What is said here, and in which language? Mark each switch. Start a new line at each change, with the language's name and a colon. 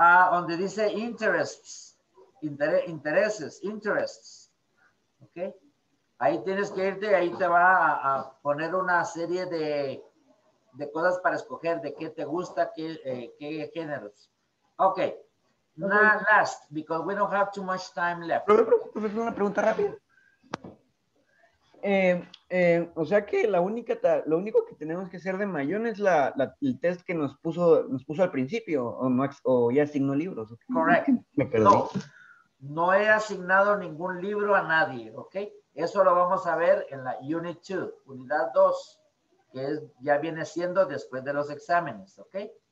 Spanish: Donde dice interests. Intereses. ¿Ok? Ahí tienes que irte, ahí te va a poner una serie de cosas para escoger de qué te gusta, qué géneros. Ok.
English: Now, last, because we don't have too much time left.
Spanish: Profesor, una pregunta rápida. O sea que lo único que tenemos que hacer de Mayón es el test que nos puso al principio, o ya asignó libros. Okay. Correcto. No he asignado ningún libro a nadie, ¿ok? Eso lo vamos a ver en la Unit 2, Unidad 2, que es, ya viene siendo después de los exámenes, ¿ok?